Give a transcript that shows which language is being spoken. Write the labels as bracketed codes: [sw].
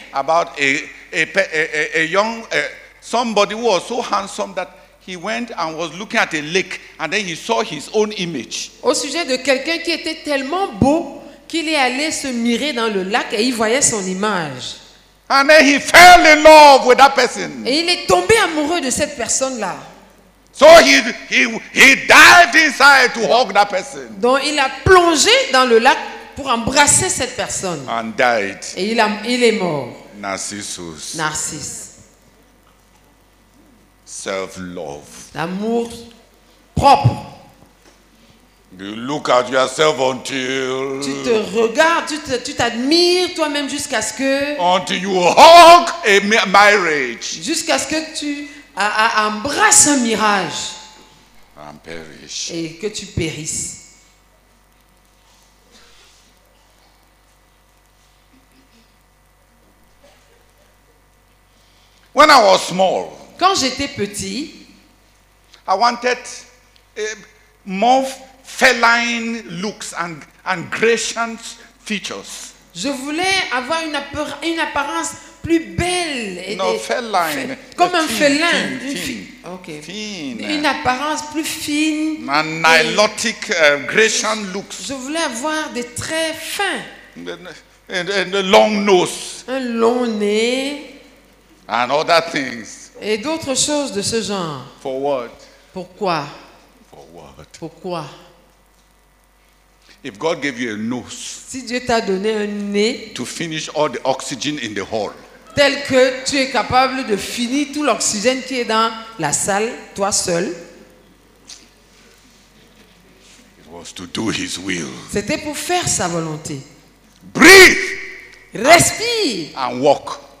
[en] About a young somebody who was so handsome that he went and was looking at a lake and then he saw his own image. [fr] Au sujet de quelqu'un qui était tellement beau qu'il est allé se mirer dans le lac et il voyait son image. [en] And then he fell in love with that person. [fr] Et il est tombé amoureux de cette personne-là. [en] So he dived inside to hug that person. [fr] Donc il a plongé dans le lac pour embrasser cette personne. [en] And died. [fr] Et il est mort. [en] Narcissus. [fr] Narcisse. [en] Self-love. [fr] L'amour propre. [en] You look at yourself until. [fr] Tu te regardes, tu t'admires toi-même jusqu'à ce que. [en] Until you hug a mirage. [fr] Jusqu'à ce que tu embrasses un mirage. [en] And perish. [fr] Et que tu périsses. [en] When I was small, [fr] quand j'étais petit, [en] I wanted more feline looks and Grecian features. [fr] Je voulais avoir une apparence plus belle et [en] no, feline, [fr] comme un félin, [en] fine. [fr] Une apparence plus fine. [en] And nilotic Grecian looks. [fr] Je voulais avoir des traits fins. [en] And a long nose. [fr] Un long nez. [en] And other things. [fr] Et d'autres choses de ce genre. [en] For what? [fr] Pourquoi? [en] For what? [fr] Pourquoi? [en] If God gave you a nose. [fr] Si Dieu t'a donné un nez. [en] To finish all the oxygen in the hall. [fr] Tel que tu es capable de finir tout l'oxygène qui est dans la salle, toi seul. [en] was to do his will. [fr] C'était pour faire sa volonté. [en] Breathe. [fr] Respire. [en] And walk.